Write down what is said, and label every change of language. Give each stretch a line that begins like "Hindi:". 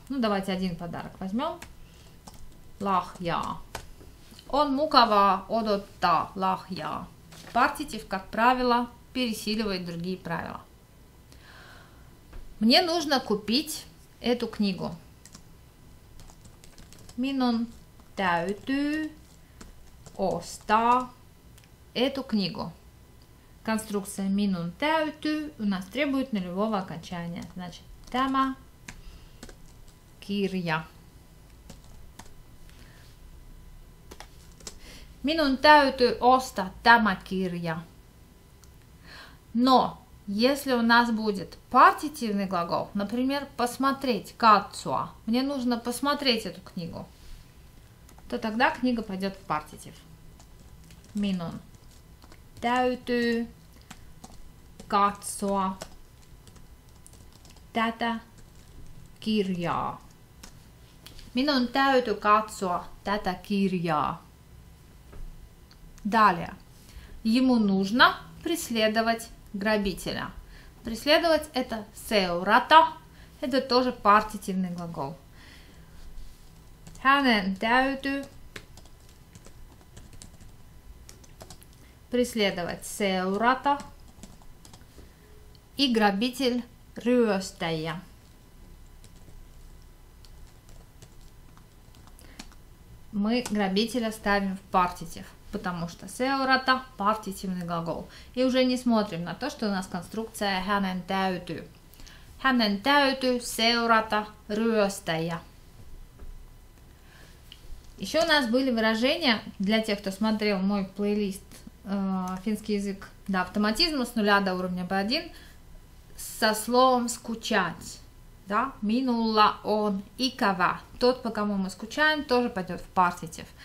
Russian: Ну, давайте один подарок возьмем. Лахья.
Finnish: Он мукава одотта.
Russian: Лахья. Партитив, как правило, пересиливает другие правила. Мне нужно купить эту книгу.
Finnish: Minun täytyy ostaa
Russian: эту книгу. Конструкция
Finnish: minun täytyy
Russian: у нас требует нулевого окончания.
Finnish: Значит, tämä kirja. Minun täytyy ostaa tämä kirja.
Russian: Но если у нас будет партитивный глагол, например, посмотреть, katsoa, мне нужно посмотреть эту книгу, то тогда книга пойдет в партитив.
Finnish: Minun täytyy katsoa tätä kirjaa. Minun täytyy katsoa tätä kirjaa.
Russian: Далее. Ему нужно преследовать грабителя. Преследовать это seurata. Это тоже партитивный глагол.
Finnish: Hänen täytyy
Russian: преследовать
Finnish: seurata
Russian: и грабитель
Finnish: ryöstäjä.
Russian: Мы грабителя ставим в партитив, потому что seurata – партитивный глагол. И уже не смотрим на то, что у нас конструкция
Finnish: hänen täytyy. Hänen täytyy seurata ryöstäjä.
Russian: Еще у нас были выражения, для тех, кто смотрел мой плейлист «Финский язык до автоматизма с нуля до уровня B1» со словом «скучать». Да?
Finnish: Минула он икава.
Russian: Тот, по кому мы скучаем, тоже пойдет в партитив.